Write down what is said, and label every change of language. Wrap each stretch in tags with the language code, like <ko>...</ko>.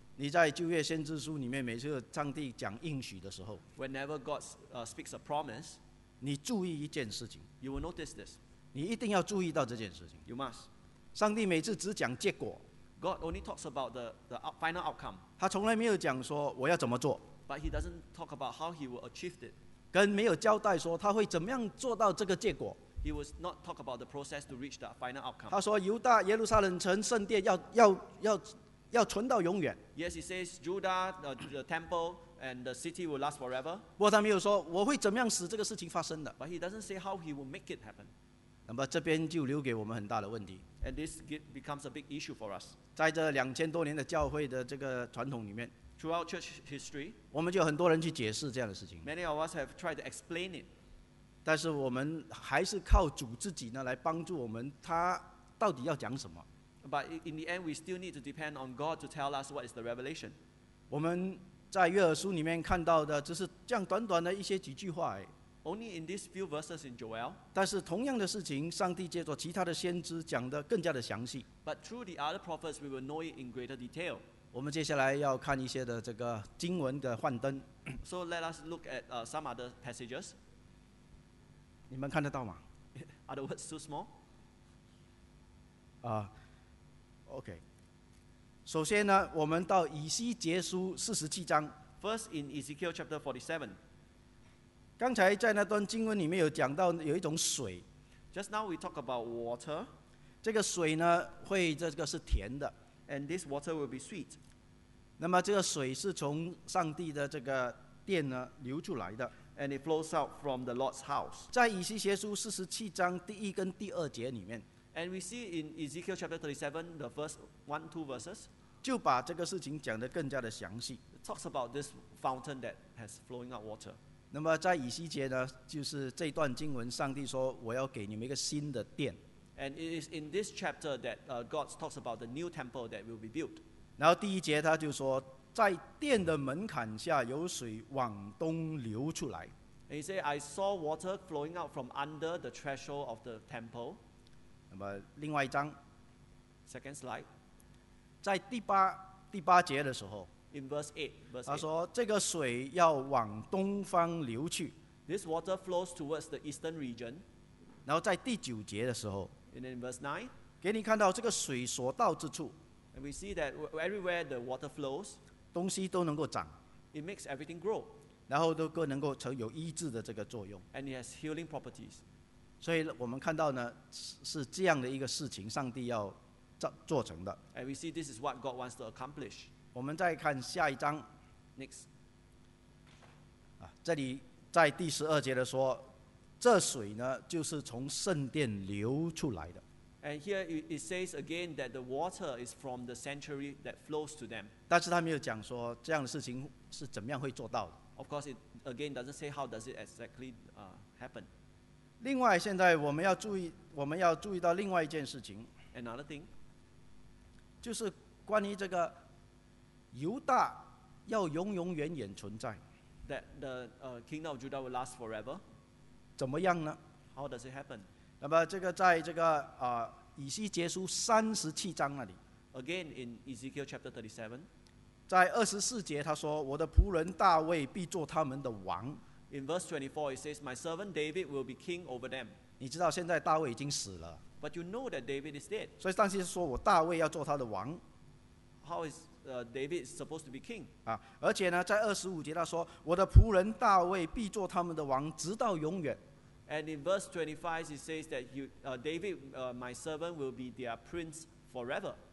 <zh>你在旧约先知书里面，每次上帝讲应许的时候</zh> <en>，Whenever God speaks a promise，</en> <zh>你注意一件事情</zh> <en>，You will notice this.</en> <zh>你一定要注意到这件事情</zh> <en>，You must.</en> <zh>上帝每次只讲结果</zh> <en>，God only talks about the final outcome.</en> <zh>他从来没有讲说我要怎么做</zh> <en>，But he doesn't talk about how he will achieve it.</en> <zh>跟没有交代说他会怎么样做到这个结果。</zh> <en>He was not talk about the process to reach the final outcome.</en> <zh>他说犹大耶路撒冷城圣殿要存到永远。</zh> <en>Yes, he says Judah, the temple and the city will last forever.</en> <zh>不过他没有说我会怎么样使这个事情发生的。</zh> <en>But he doesn't say how he will make it happen.</en> <zh>那么这边就留给我们很大的问题。</zh> <en>And this becomes a big issue for us.</en> <zh>在这两千多年的教会的这个传统里面</zh> <en>，throughout church history，</en> <zh>我们就有很多人去解释这样的事情。</zh> <en>Many of us have tried to explain it.</en> <zh>但是我们还是靠主自己呢来帮助我们，他到底要讲什么</zh> <en>？But in the end, we still need to depend on God to tell us what is the revelation.</en> <zh>我们在约珥书里面看到的，只是这样短短的一些几句话。</zh> <en>Only in these few verses in Joel.</en> <zh>但是同样的事情，上帝借着其他的先知讲得更加的详细。</zh> <en>But through the other prophets, we will know it in greater detail.</en> <zh>我们接下来要看一些的这个经文的幻灯。</zh> <en>So let us look at some other passages.</en> <zh>你们看得到吗</zh> <en>？Are the words too small? OK.</en> <zh>首先呢，我们到以西结书四十七章。</zh> <en>First in Ezekiel chapter 47.</en> <zh>刚才在那段经文里面有讲到有一种水。</zh> <en>Just now we talk about water.</en> <zh>这个水呢，会这个是甜的。</zh> <en>And this water will be sweet.</en> <zh>那么这个水是从上帝的这个殿呢流出来的。</zh> <en>And it flows out from the Lord's house.</en> <zh>在以西结书四十七章第一跟第二节里面</zh> <en>，And we see in Ezekiel chapter 37, the first one two verses,</en> <zh>就把这个事情讲得更加的详细。</zh> <en>It talks about this fountain that has flowing out water.</en> <zh>那么在以西结呢，就是这段经文，上帝说我要给你们一个新的殿。</zh> <en>And it is in this chapter that God talks about the new temple that will be built.</en> <zh>然后第一节他就说。在殿的门槛下有水往东流出来。</zh> <en>He said, "I saw water flowing out from under the threshold of the temple."</en> <zh>那么另外一章</zh> <en>，Second slide，</en> <zh>在第八节的时候</zh> <en>In verse 8,</en> <zh>他说这个水要往东方流去。</zh> <en>This water flows towards the eastern region.</en> <zh>然后在第九节的时候</zh> <en>，And in verse 9,</en> <zh>给你看到这个水所到之处</zh> <en>，And we see that everywhere the water flows,</en> <zh>东西都能够长</zh> <en>，It makes everything grow.</en> <zh>然后都各能够成有医治的这个作用</zh> <en>，And it has healing properties.</en> <zh>所以我们看到呢，是这样的一个事情，上帝要做成的。</zh> <en>And we see this is what God wants to accomplish.</en> <zh>我们再看下一章</zh> <en>，Next.</en> <zh>啊，这里。在第十二节的说，这水呢就是从圣殿流出来的。</zh> <en>And here it says again that the water is from the sanctuary that flows to them.</en> <zh>但是他没有讲说这样的事情是怎么样会做到的。</zh> <en>Of course, it again doesn't say how does it exactly happen.</en> <zh>另外，现在我们要注意到另外一件事情。</zh> <en>Another thing.</en> <zh>就是关于这个犹大要永永远远存在。</zh> <en>That the kingdom of Judah will last forever.</en> <zh>怎么样呢</zh> <en>？How does it happen?</en> <zh>那么这个在这个以西结书三十七章那里。</zh> <en>Again in Ezekiel chapter 37,</en> <zh>在二十四节他说：“我的仆人大卫必做他们的王。”</zh> <en>In verse 24, it says, "My servant David will be king over them."</en> <zh>你知道现在大卫已经死了。</zh> <en>But you know that David is dead.</en> <zh>所以上帝说我大卫要做他的王。</zh> <en>How is David supposed to be king?</en> <zh>啊，而且呢，在二十五节他说，我的仆人大卫必做他们的王，直到永远。</zh> <en>And in verse 25, it says that my servant will be their prince forever.</en>